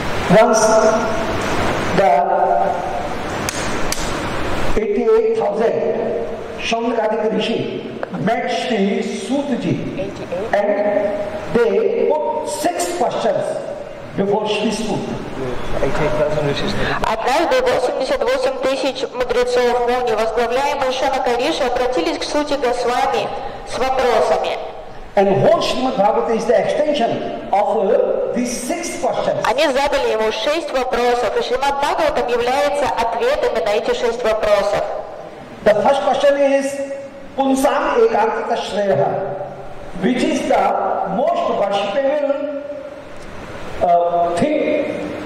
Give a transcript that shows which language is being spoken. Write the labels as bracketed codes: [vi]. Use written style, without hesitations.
[en] Once the 88,000 Shankaradika Rishi met Shri Sutji and they put six questions before Shri Sutji. [ru] Однажды 88 тысяч мудрецов муни, возглавляемые Шанакариши, обратились к Сути Госвами с вопросами. [en] And whole Srimad Bhagavatam is the extension of these six questions. [ru] Они задали ему шесть вопросов, и Шримад Бхагаватам является ответами на эти шесть вопросов. [en] The first question is [sa] Punsam Ekantita Shreya, [en] which is the most worshipable thing.